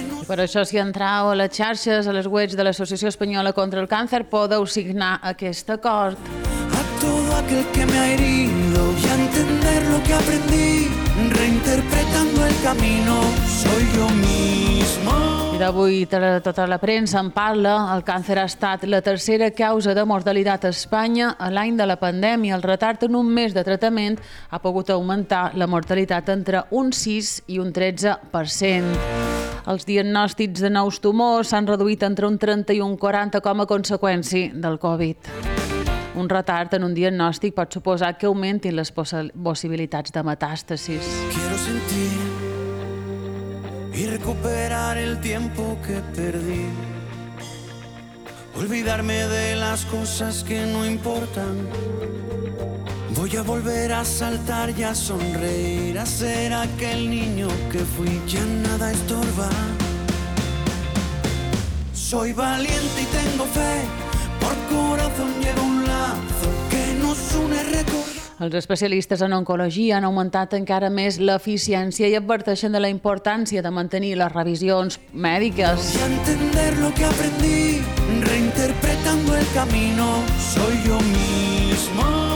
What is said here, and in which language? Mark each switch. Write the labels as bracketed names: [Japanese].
[Catalan] Per això, si entrau a les xarxes, a les webs de l'Associació Espanyola contra el Càncer, podeu signar aquest acord. [Spanish] A todo aquel que me ha herido y a entender lo que aprendí reinterpretando el camino soy yo mismo. [Catalan] Avui tota la premsa en parla. El càncer ha estat la tercera causa de mortalitat a Espanya a l'any de la pandèmia. El retard en un mes de tractament ha pogut augmentar la mortalitat entre un 6 i un 13%. Els diagnòstics de nous tumors s'han reduït entre un 30 i un 40 com a conseqüència del Covid. Un retard en un diagnòstic pot suposar que augmentin les possibilitats de metàstasis. [Spanish] Quiero sentir y recuperar el tiempo que perdí. Olvidarme de las cosas que no importan. Voy a volver a saltar y a sonreír, a ser aquel niño que fui. Ya nada estorba. Soy valiente y tengo fe. Por corazón llevo un lazo que nos une recordar. [Catalan] Els especialistes en oncologia han augmentat encara més l'eficiència i adverteixen de la importància de mantenir les revisions mèdiques. [Spanish] Y entender lo que aprendí, reinterpretando el camino, soy yo mismo.